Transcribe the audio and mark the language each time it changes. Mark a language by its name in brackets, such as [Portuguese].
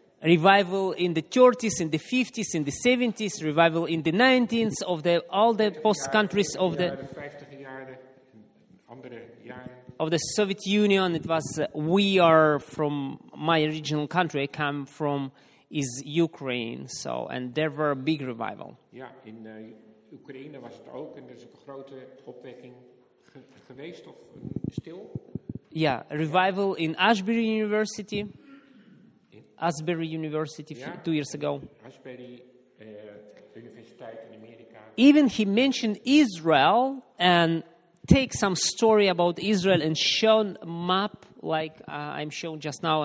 [English] Revival in the 30s, in the 50s, in the 70s, revival in the 90s of the all the post countries of the [Dutch] 50 jaren, andere jaren. [English] Of the Soviet Union. It was we are from my original country. I come from is Ukraine, so and there were a big revival. [Dutch] Ja, in Oekraïne was het ook en er is ook een grote opwekking geweest of stil. [English] Ja, revival in Ashbury University. Asbury University, yeah. 2 years ago. Asbury University in America. Even he mentioned Israel and take some story about Israel and shown map like I'm shown just now.